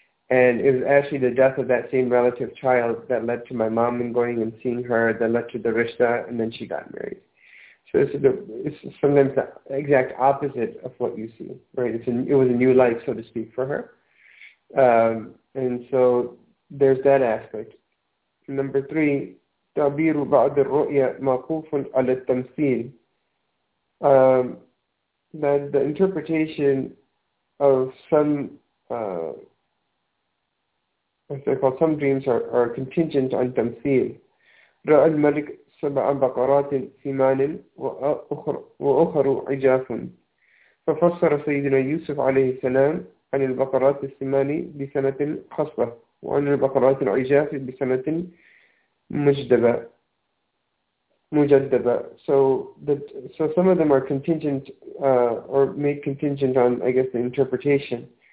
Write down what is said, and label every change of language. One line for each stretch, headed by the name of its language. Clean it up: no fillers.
English: And it was actually the death of that same relative child that led to my mom and going and seeing her, that led to the rishta, and then she got married. So it's sometimes the exact opposite of what you see, right? It was a new life, so to speak, for her. And so there's that aspect. Number three,
Arabic: تعبير بعض الرؤيا موقوف على التمثيل.
English: That the interpretation of some, what's it called, some dreams are contingent on تمثيل.
Arabic: رأى الملك سبع بقرات ثمان وأخر عجاف. ففسر سيدنا يوسف عليه السلام عن البقرات الثمان بسنة خصبة وعن البقرات العجاف بسنة Mujaddaba.
English: So some of them are contingent, or made contingent on, I guess, the interpretation.